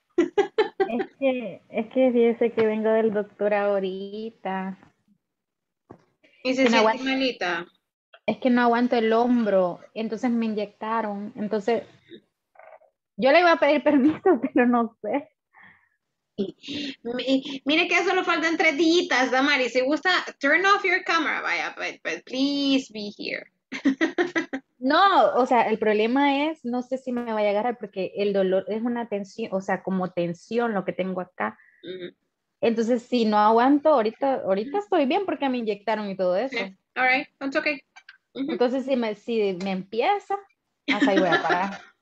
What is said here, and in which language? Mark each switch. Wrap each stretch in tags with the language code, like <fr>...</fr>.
<es>Es que fíjese que vengo del doctor ahorita. ¿Y se siente malita? Es que no aguanto el hombro, entonces me inyectaron. Entonces, yo le iba a pedir permiso, pero no sé. Mire que solo faltan tres días, Damari. Si gusta,</es> <en>turn off your camera,</en> <es>vaya,</es> <en>but please be here.</en> <es>No, o sea, el problema es, no sé si me vaya a agarrar porque el dolor es una tensión, o sea, como tensión lo que tengo acá. Entonces, si no aguanto, ahorita estoy bien porque me inyectaron y todo eso.</es> <en>Okay. All right, that's okay. Mm-hmm.</en> <es>Entonces, si me empieza, hasta ahí voy a parar.</es>